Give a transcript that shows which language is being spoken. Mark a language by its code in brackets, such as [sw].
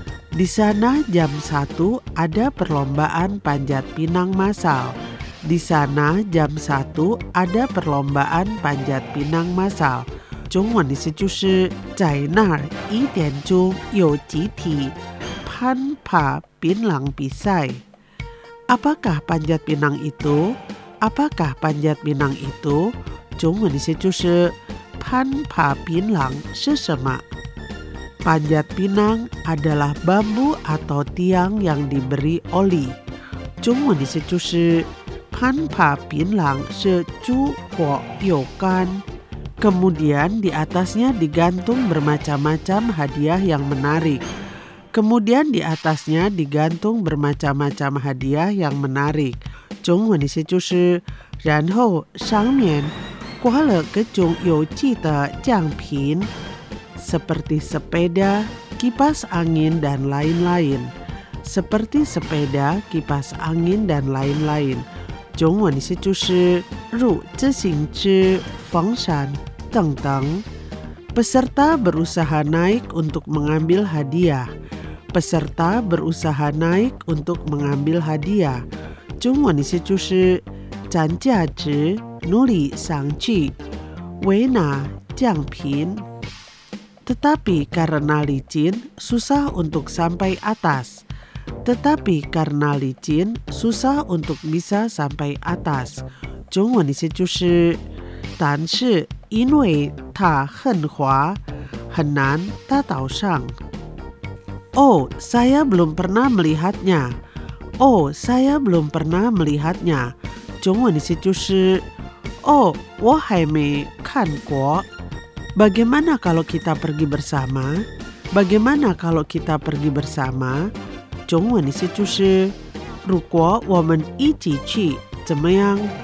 [id] Di sana jam satu ada perlombaan panjat pinang massal。 Di sana jam satu ada perlombaan panjat pinang massal。 [zh] 中文的意思就是在那儿一点钟有集体攀爬槟榔比赛。 [id] Apakah panjat pinang itu? Apakah panjat pinang itu? [zh] 中文的意思就是攀爬槟榔是什么？ [id] Panjat pinang adalah bambu atau tiang yang diberi oli。 [zh] 中文的意思就是攀爬槟榔是竹或有杆。 [id] Kemudian di atasnya digantung bermacam-macam hadiah yang menarik. Kemudian di atasnya digantung bermacam-macam hadiah yang menarik. [zh] 中文的意思就是，然后上面挂了各种有趣的奖品， [id] seperti sepeda, kipas angin dan lain-lain. Seperti sepeda, kipas angin dan lain-lain. [zh] 中文的意思就是，如自行车、风扇。 [id] Tentang peserta berusaha naik untuk mengambil hadiah. Peserta berusaha naik untuk mengambil hadiah. [zh] 中文的意思就是占价值，努力上去。为拿奖品。 [id] Tetapi karena licin, susah untuk sampai atas. Tetapi karena licin, susah untuk bisa sampai atas. [zh] 中文的意思就是但是因为它很滑，很难搭到上。 [id] Oh, saya belum pernah melihatnya. Oh, saya belum pernah melihatnya. [zh] 中文的意思就是 Oh, 我还没看过。 [id] Bagaimana kalau kita pergi bersama? Bagaimana kalau kita pergi bersama? [zh] 中文的意思就是如果我们一起去，怎么样？